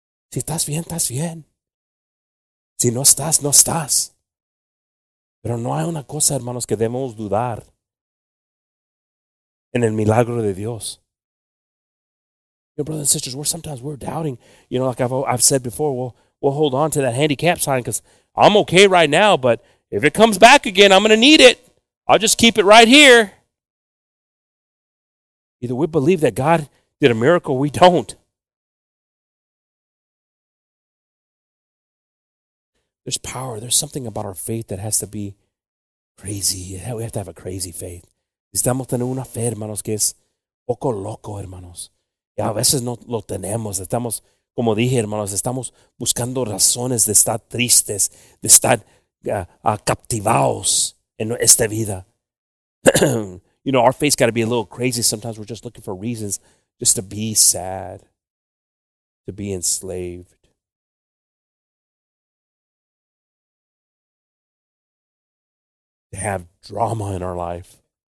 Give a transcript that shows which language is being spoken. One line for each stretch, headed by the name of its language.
Spanish: Si estás bien, estás bien. Si no estás, no estás. Pero no hay una cosa, hermanos, que debemos dudar en el milagro de Dios.
English: Your brothers and sisters, we're sometimes doubting. You know, like I've said before, we'll hold on to that handicap sign because I'm okay right now, but if it comes back again, I'm going to need it. I'll just keep it right here. Either we believe that God did a miracle, or we don't. There's power. There's something about our faith that has to be crazy. We have to have a crazy faith.
Spanish: Estamos teniendo una fe, hermanos, que es poco loco, hermanos. Y a veces no lo tenemos. Estamos, como dije, hermanos, estamos buscando razones de estar tristes, de estar captivados en esta vida.
English: You know, our faith's got to be a little crazy. Sometimes we're just looking for reasons just to be sad, to be enslaved. To have drama in our life.